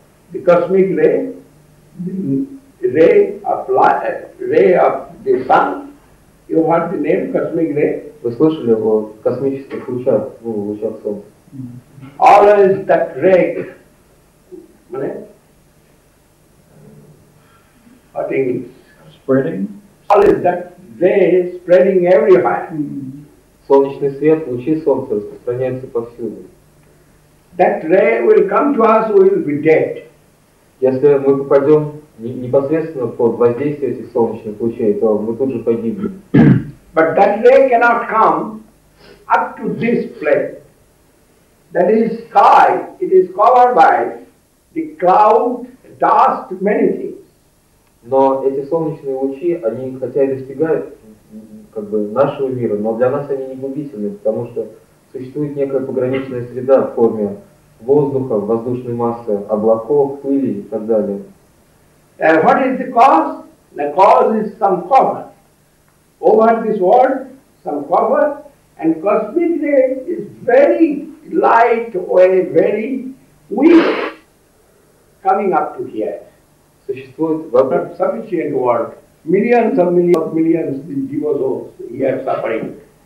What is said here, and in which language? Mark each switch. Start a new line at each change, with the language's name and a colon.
English: The cosmic ray, the ray of light, ray of the sun. You heard the name cosmic ray?
Russian: Вы слышали о космических лучах, ну, лучах солнца?
English: Always that ray, what? I think it's spreading. Always that ray spreading everywhere.
Russian: Солнечный свет, лучи солнца распространяются повсюду.
English: That ray will come to us, we will be dead.
Russian: Если мы попадем непосредственно под воздействие этих солнечных лучей, то мы тут же погибнем.
English: But that ray cannot come up to this place. That is sky, it is covered by the cloud, dust, many things.
Russian: Но эти солнечные лучи, они хотя и достигают как бы нашего мира, но для нас они не губительны, потому что существует некая пограничная среда в форме воздуха, воздушной массы, облаков, пыли и так далее.
English: What is the cause? The cause is some cover. Over this world, some cover, and cosmic ray is very light or very weak coming up to here.
Russian: Существует
English: but sufficient world. Millions of millions of millions of jiva souls here suffering.